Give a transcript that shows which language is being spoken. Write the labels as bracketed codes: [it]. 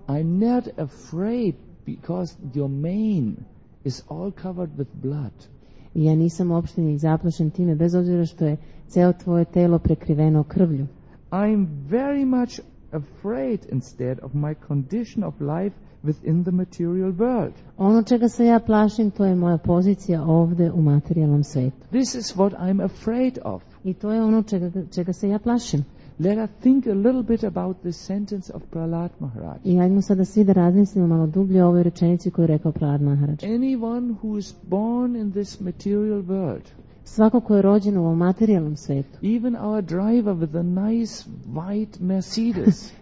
[en] I'm not afraid because your mane is all covered with blood. [sr] Ja nisam uopšte ni zaplašen time bez obzira što je ceo tvoje telo prekriveno krvlju. [en] I'm very much afraid instead of my condition of life within the material world. [sr] Ono čega se ja plašim, to je moja pozicija ovde u materijalnom svetu. [en] This is what I'm afraid of. [sr] I to je ono čega se ja plašim. [en] Let us think a little bit about the sentence of Prahlad Maharaj. [sr] I ajmo sada svi da razmislimo malo dublje o ovoj rečenici koju je rekao Prahlad Maharaj. [en] Anyone who is born in this material world, [sr] svako ko je rođen u ovom materijalnom svetu, [en] even our driver with a nice white Mercedes,